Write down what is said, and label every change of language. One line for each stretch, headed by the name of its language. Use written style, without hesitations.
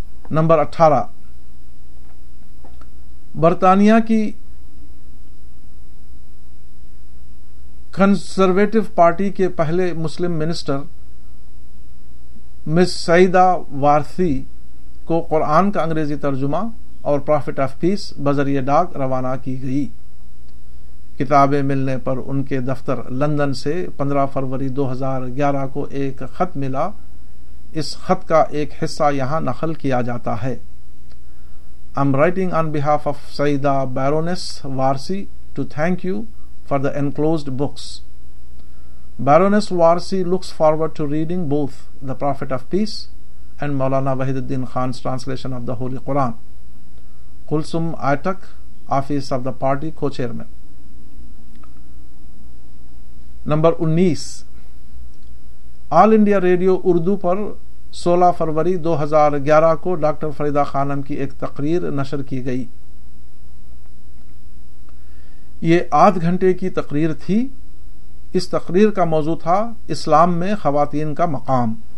Urdu: Number 18 برطانیہ کی conservative party کے پہلے مسلم منسٹر مس سعیدہ وارثی کو قرآن کا انگریزی ترجمہ اور پرافٹ آف پیس بذریعہ ڈاک روانہ کی گئی. کتابیں ملنے پر ان کے دفتر لندن سے 15 فروری 2011 کو ایک خط ملا. اس خط کا ایک حصہ یہاں نقل کیا جاتا ہے.
English: I'm writing on behalf of Saida Baroness Warsi to thank you for the enclosed books. Baroness Warsi looks forward to reading both The Prophet of Peace and Maulana Wahiduddin Khan's translation of the Holy Quran. Kulsum Aitak, Office of the Party, Co-Chairman.
Urdu: Number 19 all India radio Urdu پر 16 فروری 2011 کو doctor Farida خانم کی ایک تقریر نشر کی گئی. یہ آدھ گھنٹے کی تقریر تھی. اس تقریر کا موضوع تھا اسلام میں خواتین کا مقام.